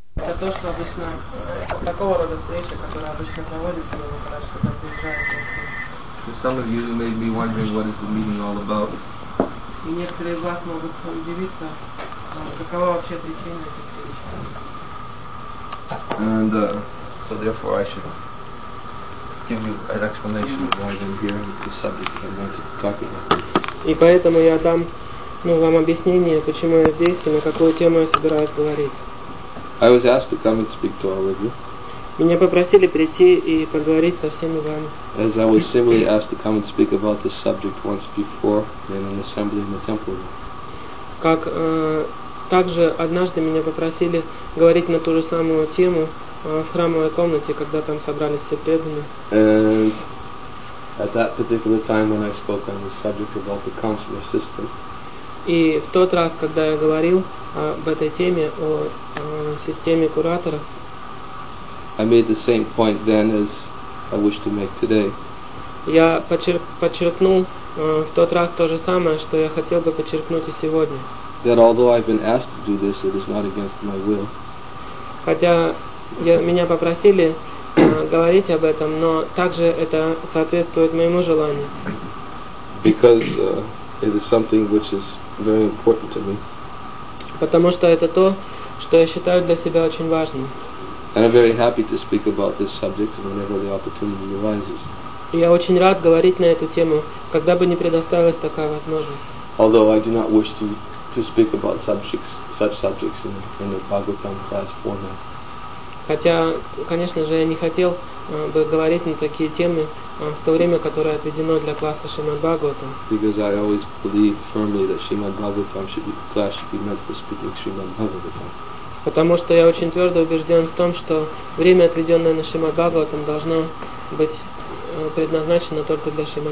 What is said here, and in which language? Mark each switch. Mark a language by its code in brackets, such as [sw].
[ru] то, что обычно такого рода встреча, которая обычно проводится, ну, хорошо, когда приезжают. [en] For some of you who may be wondering what is the meeting all about. [ru] И некоторые из вас могут удивиться, какова вообще причина этой встречи. [en] And so therefore I should give you an explanation of why I'm here with the subject I wanted to talk about. [ru] И поэтому я дам, ну, вам объяснение, почему я здесь и на какую тему я собираюсь говорить. [en] I was asked to come and speak to all of you. [ru] Меня попросили прийти и поговорить со всеми вами. [en] As I was similarly asked to come and speak about this subject once before in an assembly in the temple. [ru] Как также однажды меня попросили говорить на ту же самую тему в храмовой комнате, когда там собрались все преданные. [en] And at that particular time when I spoke on the subject about the consular system. [ru] И в тот раз, когда я говорил об этой теме, о системе кураторов, [en] I made the same point then as I wish to make today. [ru] Я подчеркнул в тот раз то же самое, что я хотел бы подчеркнуть и сегодня. [en] That although I've been asked to do this, it is not against my will. [ru] Хотя меня попросили говорить об этом, но также это соответствует моему желанию. [en] Because it is something which is very important to me. [ru] Потому что это то, что я считаю для себя очень важным. [en] And I'm very happy to speak about this subject whenever the opportunity arises. [ru] Я очень рад говорить на эту тему, когда бы не предоставилась такая возможность. [en] Although I do not wish to speak about such subjects in the Bhagavatam class format. [ru] Хотя, конечно же, я не хотел бы говорить на такие темы в то время, которое отведено для класса Шримад Бхагаватам. [en] Because I always believe firmly that Shrimad Bhagavatam should be meant for speaking Shrimad Bhagavatam. [ru] Потому что я очень твердо убежден в том, что время, отведенное на Шримад Бхагаватам, должно быть предназначено только для Шримад